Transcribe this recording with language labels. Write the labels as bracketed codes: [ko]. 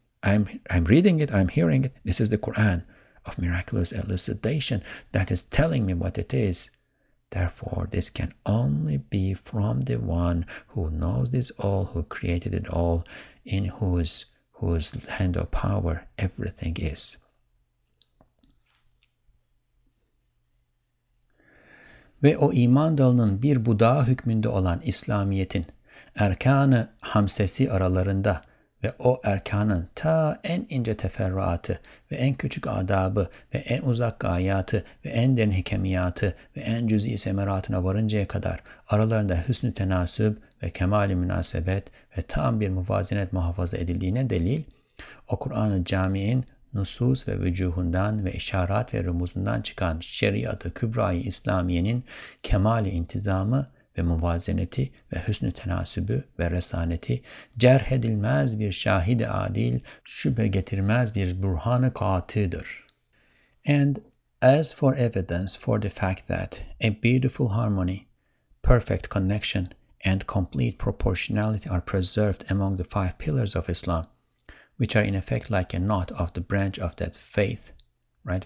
[en] I'm reading it, I'm hearing it. This is the Quran of miraculous elucidation that is telling me what it is. Therefore, this can only be from the one who knows this all, who created it all, in whose hand of power everything is. [tr] Ve o iman dalının bir budağı hükmünde olan İslamiyet'in erkanı hamsesi aralarında ve o erkanın ta en ince teferruatı ve en küçük adabı ve en uzak gayatı ve en derin hikemiyatı ve en cüz'i semeratına varıncaya kadar aralarında hüsnü tenasüb ve kemali münasebet ve tam bir muvazenet muhafaza edildiğine delil, o Kur'an-ı Cami'in nusus ve vücuhundan ve işaret ve rumuzundan çıkan şeriat-ı kübra-i İslamiye'nin kemal-i intizamı ve muvazeneti ve hüsnü tenasübü ve resaneti, cerhedilmez bir şahid-i adil, şüphe getirmez bir burhan-ı katıdır. [en] And as for evidence for the fact that a beautiful harmony, perfect connection, and complete proportionality are preserved among the five pillars of Islam, which are in effect like a knot of the branch of that faith, right?